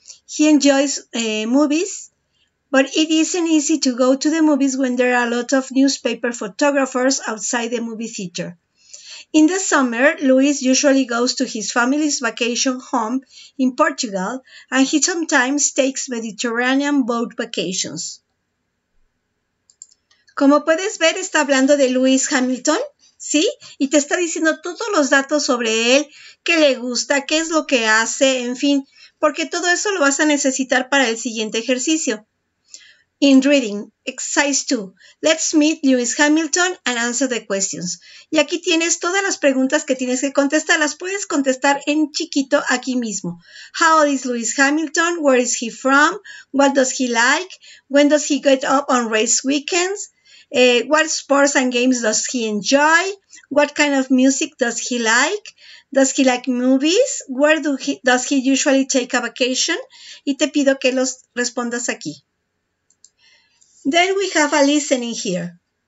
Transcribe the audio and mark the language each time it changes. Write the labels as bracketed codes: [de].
[en] He enjoys movies, but it isn't easy to go to the movies when there are a lot of newspaper photographers outside the movie theater. In the summer, Lewis usually goes to his family's vacation home in Portugal, and he sometimes takes Mediterranean boat vacations. [es] Como puedes ver, está hablando de Lewis Hamilton, ¿sí? Y te está diciendo todos los datos sobre él, qué le gusta, qué es lo que hace, en fin, porque todo eso lo vas a necesitar para el siguiente ejercicio. [en] In reading, exercise 2, let's meet Lewis Hamilton and answer the questions. [es] Y aquí tienes todas las preguntas que tienes que contestar, las puedes contestar en chiquito aquí mismo. [en] How old is Lewis Hamilton? Where is he from? What does he like? When does he get up on race weekends? What sports and games does he enjoy? What kind of music does he like? Does he like movies? Where does he usually take a vacation? [es] Y te pido que los respondas aquí. [en] Then we have a listening here.